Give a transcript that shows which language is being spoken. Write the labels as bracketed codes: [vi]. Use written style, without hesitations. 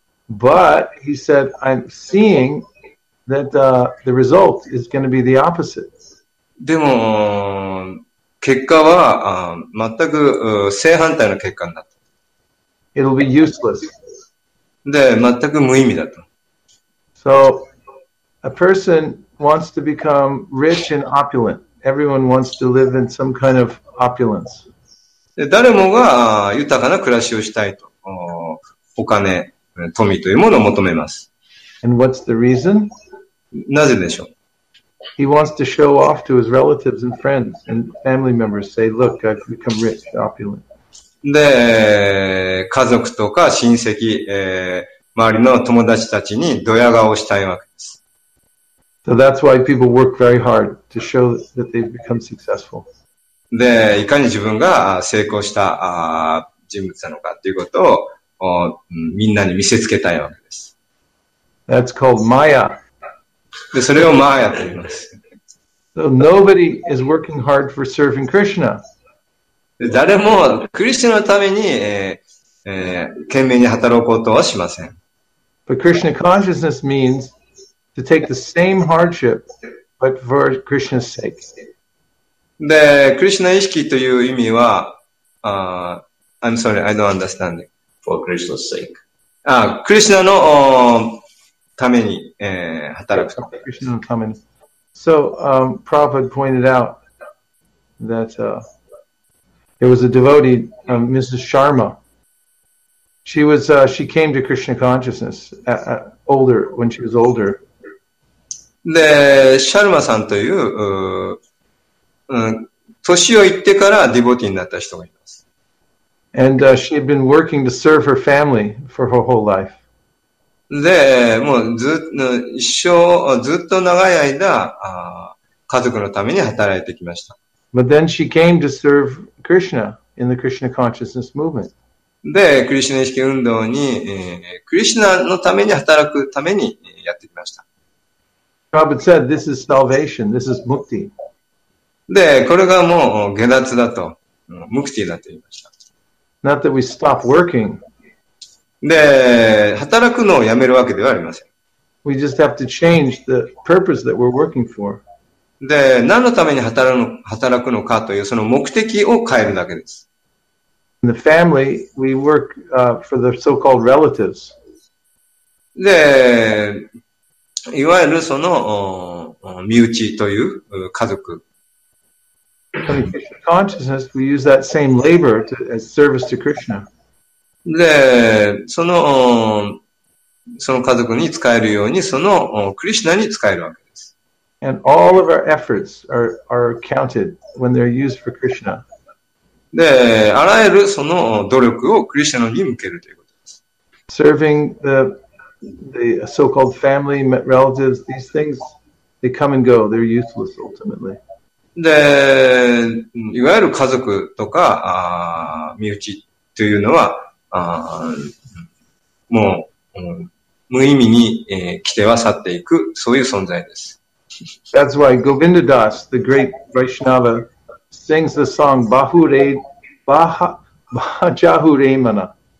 [en] But he said, I'm seeing that the result is going to be the opposite. [ja] でも結果は全く正反対の結果になった。 [en] It'll be useless. [ja] で、全く無意味だと。 [en] So, a person wants to become rich and opulent. Everyone wants to live in some kind of opulence. [ja] で、誰もが豊かな暮らしをしたいと。お金、富というものを求めます。 [en] And what's the reason? [ja] なぜでしょう? [en] He wants to show off to his relatives and friends and family members, say, look, I've become rich, opulent. [ja] で、家族とか親戚、周りの友達たちにドヤ顔をしたいわけです。 [en] So that's why people work very hard to show that they've become successful. [ja] で、いかに自分が成功した人物なのかということをみんなに見せつけたいわけです。 [en] That's called Maya. [ja] で、それをマーヤと言います。 [en] So nobody is working hard for serving Krishna. [ja] 誰もクリシュナのために、懸命に働こうとはしません。 [en] But Krishna consciousness means to take the same hardship, but for Krishna's sake. [ja] で、クリシュナ意識という意味は、 [en] I'm sorry, I don't understand. For Krishna's sake. [ja] あ、クリシュナの、ために、働く。クリシュナのために。 [en] So, Prabhupada pointed out that, there was a devotee, Mrs. Sharma. She was, she came to Krishna consciousness older, when she was older. [ja] で、シャルマさんという、年をいってからディボティになった人がいます。 [en] And, she had been working to serve her family for her whole life. [ja] で、もうずっと、一生、ずっと長い間、家族のために働いてきました。 [en] But then she came to serve Krishna in the Krishna consciousness movement. [ja] で、クリシュナ意識運動に、クリシュナのために働くためにやってきました。 [en] Prabhupada said, this is salvation, this is mukti. [ja] で、これがもう下脱だと、ムクティだと言いました。 [en] Not that we stop working. [ja] で、働くのをやめるわけではありません。 [en] We just have to change the purpose that we're working for. [ja] で、何のために働くのかというその目的を変えるだけです。 [en] In the family, we work, for the so-called relatives. [ja] で、いわゆるその、身内という家族。 [en] Consciousness, we use that same labor to, as service to Krishna. [ja] で、その家族に使えるように、その、クリシナに使えるわけです。 [en] And all of our efforts are counted when they're used for Krishna. [ja] で、あらゆるその努力をクリシナに向けるということです。 [en] Serving the so-called family, relatives, these things, they come and go. They're useless ultimately. [ja] で、いわゆる家族とか、身内というのは、もう、無意味に、来ては去っていく、そういう存在です。 [en] That's why Govinda Das, the great Vaishnava, sings the song Bahure, Baha, Bahajahure Mana.